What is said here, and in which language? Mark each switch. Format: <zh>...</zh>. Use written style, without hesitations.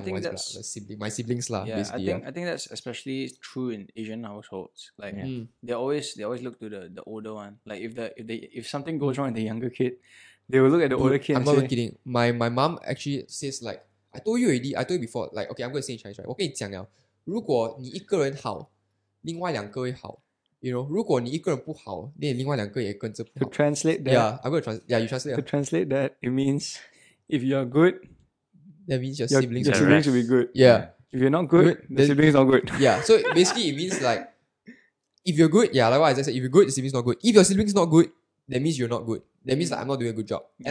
<en>basically. I think that's especially true in Asian households. Like, they always look to the older one. Like, if something goes wrong with the younger kid, they will look at the older kid. I'm not kidding. My mom actually says like, I told you already, I told you before, like, okay, I'm going to say in Chinese, right?</en> <zh>我跟你讲了, 如果你一个人好, 另外两个会好,</zh> <en>you know,</en> <zh>如果你一个人不好, 另外两个也跟着不好.</zh> <en>To translate that. Yeah, I'm going to translate. Yeah, you translate. To translate that, it means if you're good, that means your siblings are good. Your siblings will be good. Yeah. If you're not good, the siblings are not good. Yeah, so basically it means like, if you're good, yeah, like what I said, if you're good, the siblings are not good. If your siblings are not good, that means you're not good. That means like I'm not doing a good job. Yeah.</en>